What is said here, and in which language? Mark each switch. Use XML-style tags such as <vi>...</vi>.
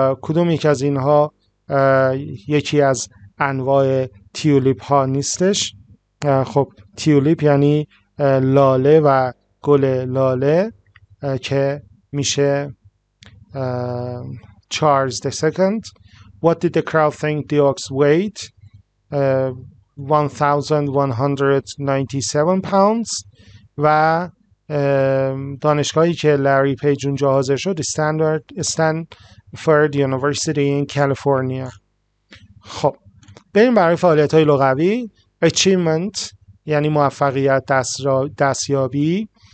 <fa>کدوم یک از اینها یکی از انواع تیولیپ ها نیستش؟ خب تیولیپ یعنی لاله و گل لاله که میشه Charles the second.</fa> <en>What did the crowd think the ox weighed? 1,197 pounds.</en> <fa>و دانشگاهی که لری پیج اونجا حاضر شد، Stanford University in California. خب بریم برای فعالیت‌های لغوی. Achievement یعنی موفقیت، دستیابی.</fa>